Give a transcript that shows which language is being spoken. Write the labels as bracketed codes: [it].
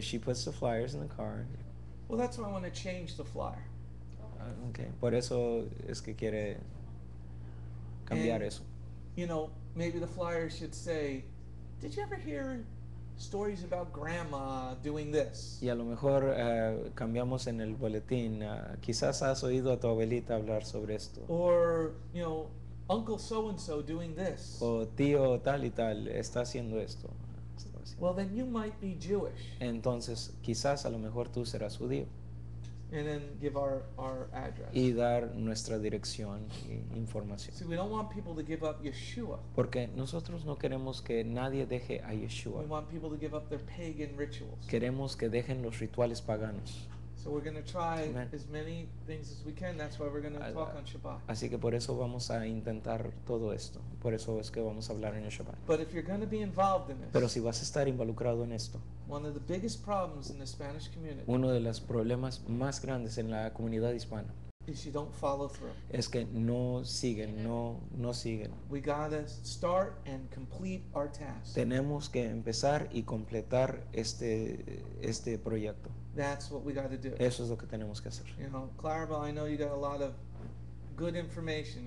[en] She puts the flyers in the car. Well, that's why I want to change the flyer. [es] Okay. Por eso es que quiere cambiar [en] and, [es] eso. [en] You know, maybe the flyer should say, did you ever hear stories about grandma doing this? [es] Y a lo mejor cambiamos en el boletín. Quizás has oído a tu abuelita hablar sobre esto. [en] Or, you know, uncle so-and-so doing this. [es] O tío tal y tal está haciendo esto. [en] Well, then you might be Jewish. [es] Entonces, quizás a lo mejor tú serás judío. [en] And then give our address. [es] Y dar nuestra dirección e información. [en] See, we don't want people to give up Yeshua. [es] Porque nosotros no queremos que nadie deje a Yeshua. [en] We want people to give up their pagan rituals. [es] Queremos que dejen los rituales paganos. [en] So we're going to try as many things as we can. That's why we're going to talk on Shabbat. [es] Así que por eso vamos a intentar todo esto. Por eso es que vamos a hablar en el Shabbat. [en] But if you're going to be involved in this, [es] pero si vas a estar involucrado en esto, [en] one of the biggest problems in the Spanish community, [es] uno de los problemas más grandes en la comunidad hispana, [en] is you don't follow through. [es] Es que no siguen, no siguen. [en] We got to start and complete our task. [es] Tenemos que empezar y completar este proyecto. [en] That's what we got to do. [es] Eso es lo que tenemos que hacer. [en] You know, Claribel, I know you got a lot of good information.